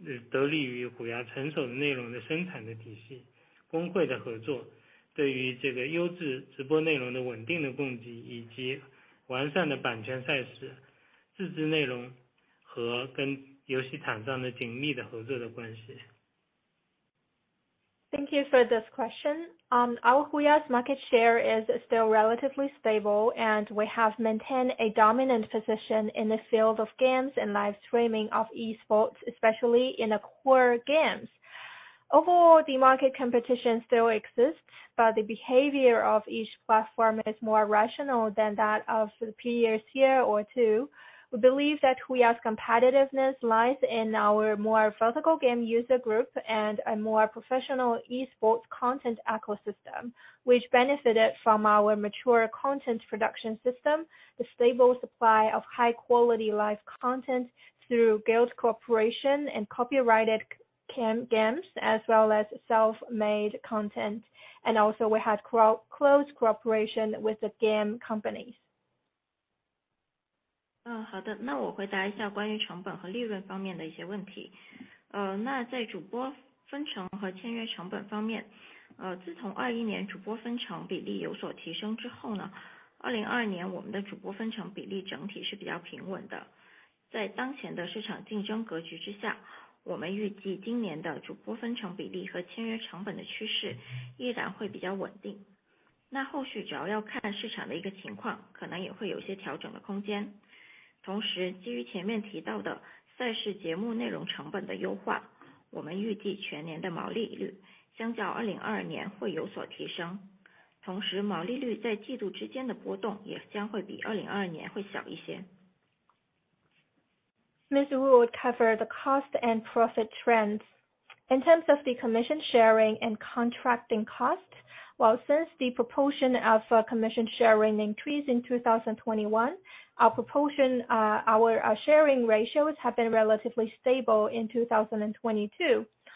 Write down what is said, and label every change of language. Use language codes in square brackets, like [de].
[zh] 得利于虎牙成熟的内容的生产的体系、工会的合作、对于这个优质直播内容的稳定的供给以及完善的版权赛事、自制内容和跟游戏厂商的紧密的合作的关系。 [en] Thank you for this question. Our HUYA's market share is still relatively stable, and we have maintained a dominant position in the field of games and live streaming of esports, especially in the core games. Overall, the market competition still exists, but the behavior of each platform is more rational than that of the previous year or two. We believe that HUYA's competitiveness lies in our more vertical game user group and a more professional esports content ecosystem, which benefited from our mature content production system, the stable supply of high-quality live content through guild cooperation and copyrighted games, as well as self-made content. And also we had close cooperation with the game companies. [zh] 好的，那我回答一下关于成本和利润方面的一些问题。那在主播分成和签约成本方面，自从21年主播分成比例有所提升之后呢，2022年我们的主播分成比例整体是比较平稳的。在当前的市场竞争格局之下，我们预计今年的主播分成比例和签约成本的趋势依然会比较稳定。那后续主要要看市场的一个情况，可能也会有一些调整的空间。同时基于前面提到的赛事节目内容成本的优化，我们预计全年的毛利率相较2022年会有所提升。同时毛利率在季度之间的波动也将会比2022年会小一些。 [en] Ms. Wu would cover the cost and profit trends. In terms of the commission sharing and contracting costs,Well, since the proportion of commission sharing increased in 2021, our sharing ratios have been relatively stable in 2022.